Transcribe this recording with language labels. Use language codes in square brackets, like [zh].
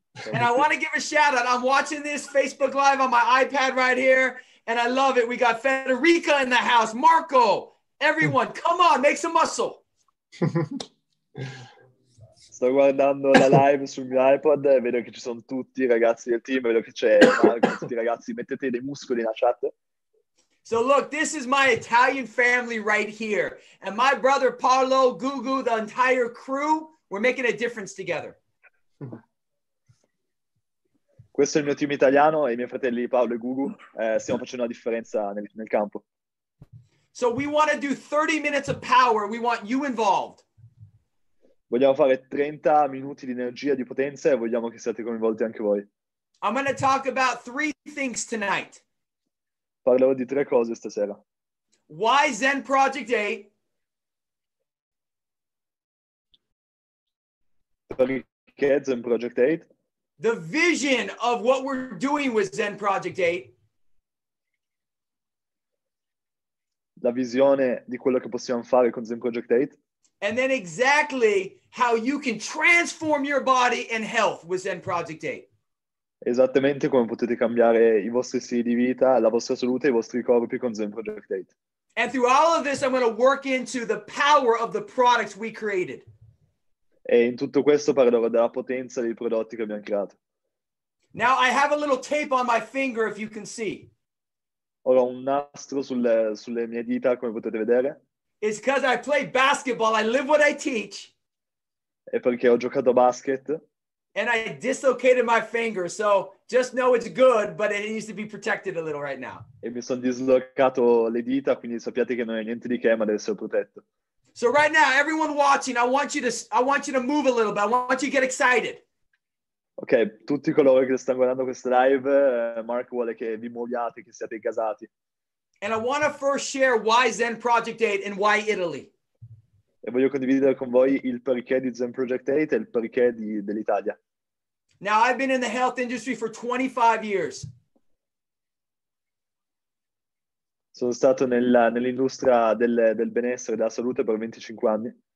[en] And I want to give a shout out. I'm watching this Facebook Live on my iPad right here, and I love it. We got Federica in the house, Marco, everyone, come on, make some muscle. [it] Sto guardando la live sul mio iPad e vedo che ci sono tutti i ragazzi del team, vedo che c'è Marco, tutti i ragazzi, mettete dei muscoli nella chat. [en] So look, this is my Italian family right here. And my brother Paolo, Gugu, the entire crew, we're making a difference together. [it] Questo è il mio team italiano e i miei fratelli Paolo e Gugu, stiamo facendo una differenza nel campo. [en] So we want to do 30 minutes of power, we want you involved. [it] Vogliamo fare 30 minuti di energia, di potenza e vogliamo che siate coinvolti anche voi. [en] I'm going to talk about three things tonight. [it] Parlerò di tre cose stasera. [en] Why Zen Project 8? [it] Perché Zen Project 8? [en] The vision of what we're doing with Zen Project 8. [it] La visione di quello che possiamo fare con Zen Project 8. [en] And then exactly how you can transform your body and health with Zen Project 8. [it] Esattamente come potete cambiare i vostri stili di vita, la vostra salute e i vostri corpi con Zen Project 8. [en] And through all of this, I'm going to work into the power of the products we created. [it] E in tutto questo parlerò della potenza dei prodotti che abbiamo creato. [en] Now I have a little tape on my finger, if you can see. [it] Ora ho un nastro sulle mie dita, come potete vedere. [en] It's because I play basketball, I live what I teach. [it] È perché ho giocato a basket. [en] And I dislocated my finger, so just know it's good, but it needs to be protected a little right now. [it] E mi sono dislocato le dita, quindi sappiate che non è niente di che, ma deve essere protetto. [en] So right now, everyone watching, I want you to move a little bit, I want you to get excited. [it] Ok, tutti coloro che stanno guardando questa live, Mark vuole che vi muoviate, che siate gasati. [en] And I want to first share why Zen Project 8 and why Italy. [it] E voglio condividere con voi il perché di Zen Project 8 e il perché dell'Italia. [en] Now I've been in the health industry for 25 years. [it] Sono stato nell'industria del benessere della salute per 25 anni.